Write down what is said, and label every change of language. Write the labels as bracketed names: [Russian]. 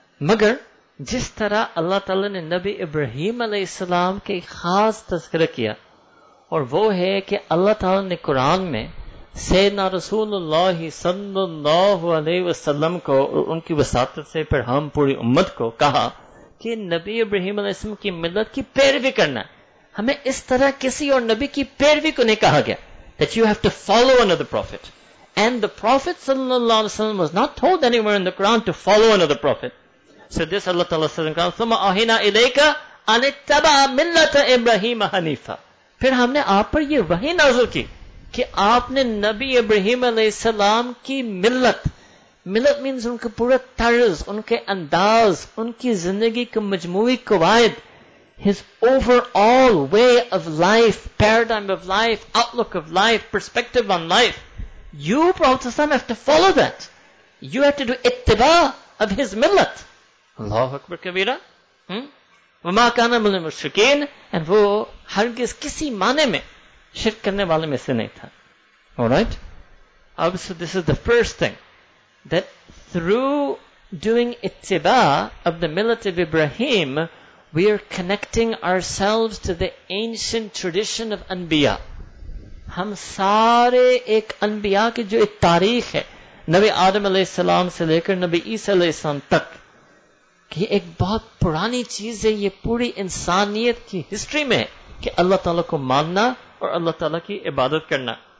[Urdu] مگر جس طرح اللہ تعالی نے نبی ابراہیم علیہ السلام کے خاص تذکرہ کیا اور وہ ہے کہ اللہ تعالی نے قرآن میں سیدنا رسول اللہ صلی اللہ علیہ وسلم کو اور ان کی وساطت سے پھر ہم پوری امت کو کہا کہ نبی ابراہیم علیہ السلام کی ملت کی پیروی کرنا, ہمیں اس طرح کسی اور نبی کی پیروی کو نہیں کہا گیا. [English] That you have to follow another prophet. And the prophet sallallahu alaihi wasallam was not told anywhere in the Quran to follow another prophet. So this Allah ta'ala says in Quran, [Arabic] ثُمَّ أَوْحَيْنَا إِلَيْكَ أَنِ اتَّبِعْ مِلَّةَ إِبْرَاهِيمَ حَنِيفًا. [Urdu] پھر ہم نے آپ پر یہ وحی نازل کی کہ آپ نے نبی ابراہیم علیہ السلام کی ملت, ملت means ان کا پورا طرز, ان کے انداز, ان کی زندگی کے مجموعی قواعد, [English] his overall way of life, paradigm of life, outlook of life, perspective on life, you Prophet ﷺ have to follow that. You have to do ittiba of his millat. [Arabic] Allahu Akbar kabira. وَمَا كَانَ مِنَ الْمُشْرِكِينَ, [Urdu] and وہ ہرگز کسی معنی میں شرک کرنے والے میں سے نہیں تھا. [English] Alright? So this is the first thing, that through doing ittiba of the millat of Ibrahim, we are connecting ourselves to the ancient tradition of Anbiya. [Urdu] ہم سارے ایک انبیاء کی جو ایک تاریخ ہے نبی آدم علیہ السلام سے لے کر نبی عیسیٰ علیہ السلام تک, کہ ایک بہت پرانی چیز ہے یہ پوری انسانیت کی ہسٹری میں کہ اللہ تعالیٰ کو ماننا اور اللہ تعالیٰ کی عبادت کرنا.